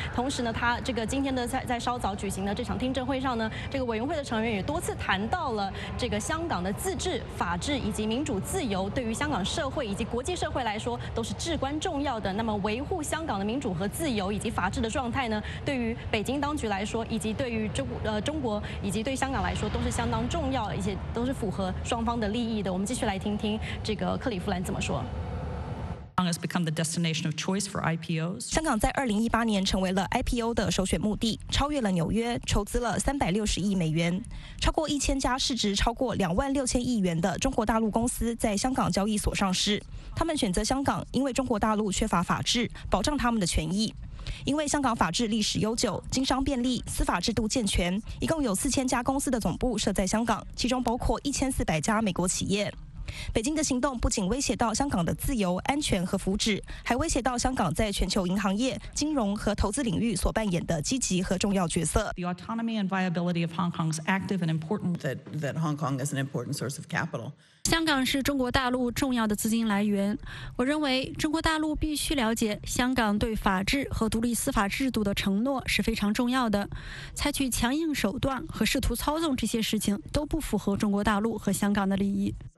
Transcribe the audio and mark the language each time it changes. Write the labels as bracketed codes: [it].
[zh] 同时呢，他这个今天的在稍早举行的这场听证会上呢，这个委员会的成员也多次谈到了这个香港的自治、法治以及民主自由，对于香港社会以及国际社会来说都是至关重要的。那么维护香港的民主和自由以及法治的状态呢，对于北京当局来说，以及对于中国以及对香港来说，都是相当重要，而且都是符合双方的利益的。我们继续来听听这个克里夫兰怎么说。 [en] Has become the destination of choice for IPOs. [zh] 香港在2018年成为了 IPO 的首选目的，超越了纽约，筹资了360亿美元。超过1000家市值超过26000亿元的中国大陆公司在香港交易所上市。他们选择香港，因为中国大陆缺乏法治，保障他们的权益。因为香港法治历史悠久，经商便利，司法制度健全，一共有4000家公司的总部设在香港，其中包括1400家美国企业。北京的行动不仅威胁到香港的自由、安全和福祉，还威胁到香港在全球银行业、金融和投资领域所扮演的积极和重要角色。 [en] The autonomy and viability of Hong Kong's active and important that Hong Kong is an important source of capital. [zh] 香港是中国大陆重要的资金来源。我认为中国大陆必须了解香港对法治和独立司法制度的承诺是非常重要的。采取强硬手段和试图操纵这些事情都不符合中国大陆和香港的利益。